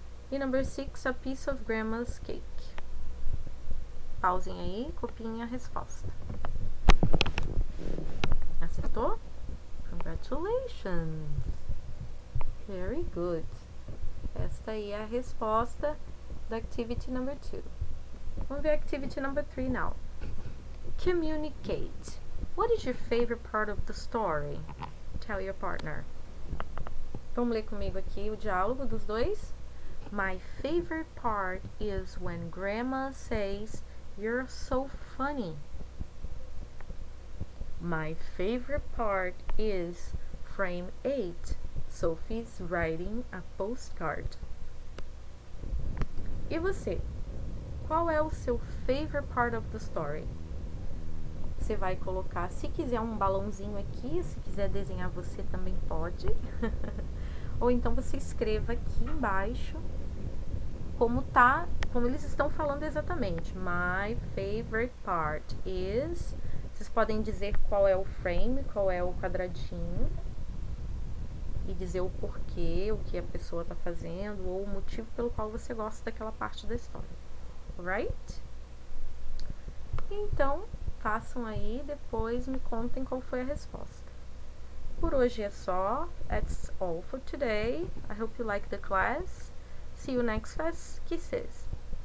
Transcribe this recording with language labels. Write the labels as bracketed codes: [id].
[en] E number six. A piece of grandma's cake. [pt] Pausem aí, copiem a resposta. Acertou? [en] Congratulations! Very good! [pt] Esta aí é a resposta da [en] activity number 2. [pt] Vamos ver a [en] activity number 3 now. Communicate. What is your favorite part of the story? Tell your partner. Vamos ler comigo aqui o diálogo dos dois. My favorite part is when grandma says, "You're so funny." My favorite part is frame 8. Sophie's writing a postcard. [pt] E você? Qual é o seu [en] favorite part of the story? [pt] Você vai colocar, se quiser, um balãozinho aqui. Se quiser desenhar você também pode. Ou então você escreva aqui embaixo como tá, como eles estão falando exatamente. [en] My favorite part is... [pt] Vocês podem dizer qual é o frame, qual é o quadradinho. E dizer o porquê, o que a pessoa tá fazendo, ou o motivo pelo qual você gosta daquela parte da história. Right? Então, façam aí, depois me contem qual foi a resposta. Por hoje é só. [en] That's all for today. I hope you like the class. See you next class. Kisses.